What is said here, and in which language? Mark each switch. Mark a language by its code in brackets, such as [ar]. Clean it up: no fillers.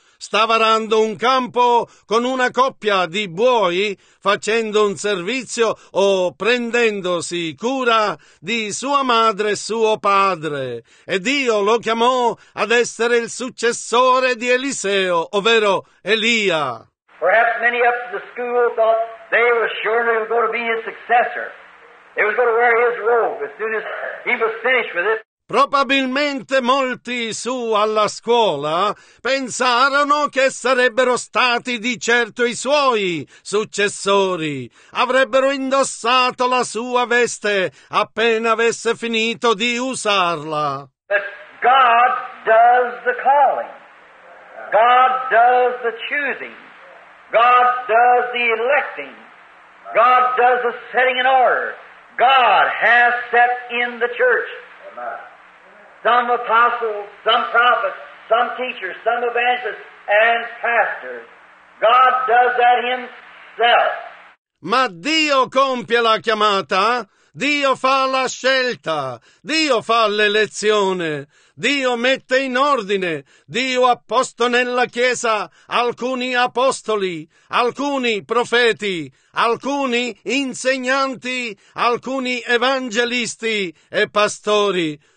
[it] Stava arando un campo con una coppia di buoi, facendo un servizio o prendendosi cura di sua madre e suo padre. E Dio lo chiamò ad essere il successore di Eliseo, ovvero Elia. [en] Perhaps many up to the school thought they were sure they were going to be his successor. They were going to wear his robe as soon as he was finished with it. [it] Probabilmente molti su alla scuola pensarono che sarebbero stati di certo i suoi successori. Avrebbero indossato la sua veste appena avesse finito di usarla. [en] But God does the calling. God does the choosing. God does the electing. God does the setting in order. God has set in the church. Some apostles, some prophets, some teachers, some evangelists, and pastors. God does that himself. [it] Ma Dio compie la chiamata. Dio fa la scelta. Dio fa l'elezione. Dio mette in ordine. Dio ha posto nella Chiesa alcuni apostoli, alcuni profeti, alcuni insegnanti, alcuni evangelisti e pastori.